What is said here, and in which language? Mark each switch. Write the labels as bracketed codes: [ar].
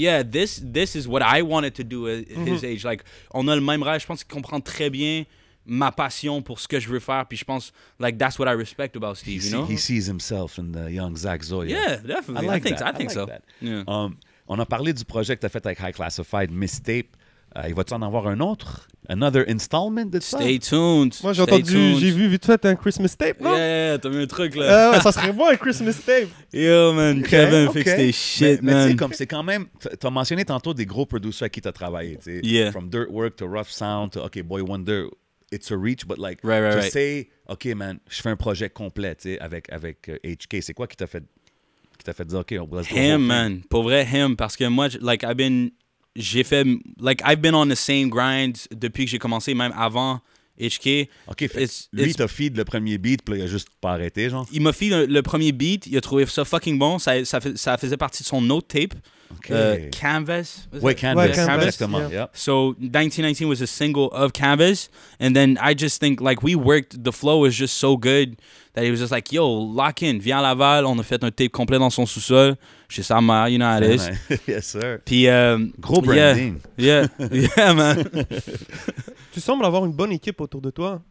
[en] Yeah, this is what I wanted to do at mm-hmm. his age. [fr] Like, on a le même rêve. Je pense qu'il comprend très bien ma passion pour ce que je veux faire. Puis je pense, [en] like, that's what I respect about Steve, he you know? He sees himself in the young Zach Zoya. Yeah, definitely. I think so. [fr] On a parlé du projet que t'as fait avec High Classified, Mistape. Il va-tu en avoir un autre? [en] Another installment [fr] de ça? [en] Stay tuned. [fr] Moi, j'ai entendu, j'ai vu vite fait un Christmas tape, non? Yeah, t'as mis un truc, là. Ouais, ça serait bon, un Christmas tape. [en] Yo, man, okay, Kevin, okay. fixe tes shit, [fr] mais, [en] man. [fr] Mais tu sais, comme c'est quand même... T'as mentionné tantôt des gros producers avec qui t'as travaillé, tu sais. [en] Yeah. From Dirt Work to Rough Sound to, OK, Boy Wonder, it's a reach, but like... Right. [fr] To say, [en] OK, man, [fr] je fais un projet complet, tu sais, avec HK. C'est quoi qui t'a fait dire, OK, on [en] va... Him, man. [fr] Pour vrai, [en] him. [fr] Parce que moi, [en] like, I've been... [fr] J'ai fait, like, [en] I've been on the same grind [fr] depuis que j'ai commencé, même avant HK. OK, lui, t'a feed le premier beat, puis il a juste pas arrêté, genre? Il m'a feed le premier beat, il a trouvé ça fucking bon, ça faisait partie de son autre tape. [en] OK. Canvas? [fr] Ouais, Canvas. Exactement, yeah. Yep. [en] So, 1919 was a single of Canvas, and then I just think, like, we worked, the flow was just so good, that he was just like, yo, lock in, [fr] viens à Laval, on a fait un tape complet dans son sous-sol, chez sa mère, [en] you know how it is. Yes, sir. [fr] Puis, gros branding. [en] Yeah, man. [fr] Tu sembles avoir une bonne équipe autour de toi.